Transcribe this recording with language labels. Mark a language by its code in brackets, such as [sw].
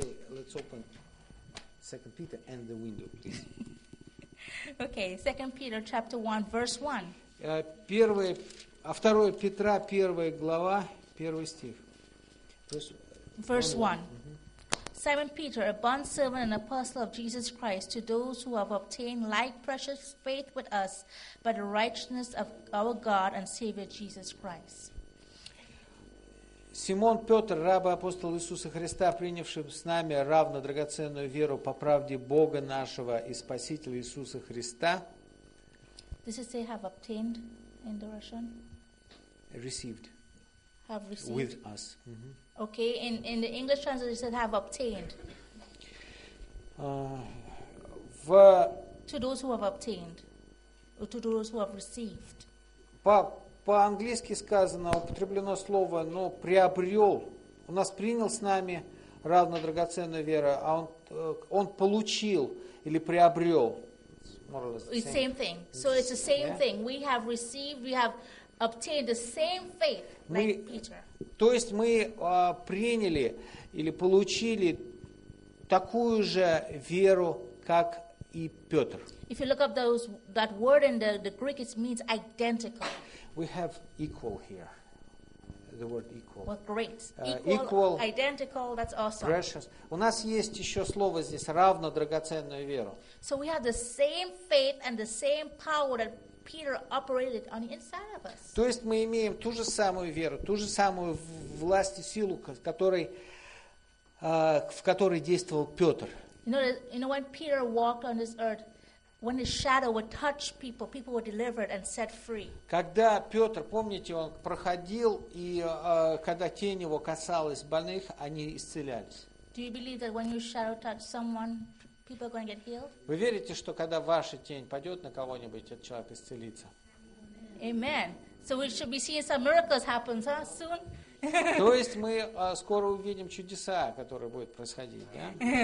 [en] Let's open Second Peter and the window, please. Okay, 2 Peter chapter 1, verse 1. [ru] Второе Петра, первая глава, первый стих. [en] Verse 1. Mm-hmm. Simon Peter, a bondservant and apostle of Jesus Christ, to those who have obtained like precious faith with us by the righteousness of our God and Savior Jesus Christ. [ru] Симон Петр, раб апостола Иисуса Христа, принявший с нами равно драгоценную веру по правде Бога нашего и Спасителя Иисуса Христа. [en] This is they have obtained in the Russian. Received. Have received. With us. Mm-hmm. Okay, in the English translation it said have obtained. To those who have obtained. Or to those who have received. [ru] По-английски сказано, употреблено слово, но приобрел. У нас принял с нами равно драгоценную веру, а он получил или приобрел. [en] It's the same thing. So it's the same thing. We have received, we have obtained the same faith, like Peter. [ru] То есть мы приняли или получили такую же веру, как и Петр. [en] If you look up that word in the Greek, it means identical. We have equal here, the word equal. Well, great. Equal, identical, that's awesome. Precious. [ru] У нас есть еще слово здесь, равно драгоценную веру. [en] So we have the same faith and the same power that Peter operated on the inside of us. [ru] То есть мы имеем ту же самую веру, ту же самую власть и силу, в которой действовал Петр. [en] You know, when Peter walked on this earth, when his shadow would touch people, people were delivered and set free. [ru] Когда Петр, помните, он проходил, и когда тень его касалась больных, они исцелялись. [en] Do you believe that when your shadow touches someone, people are going to get healed? [ru] Вы верите, что когда ваша тень падет на кого-нибудь, этот человек исцелится? [en] Amen. So we should be seeing some miracles happen, huh, soon. [ru] То есть мы скоро увидим чудеса, которые будут происходить, да?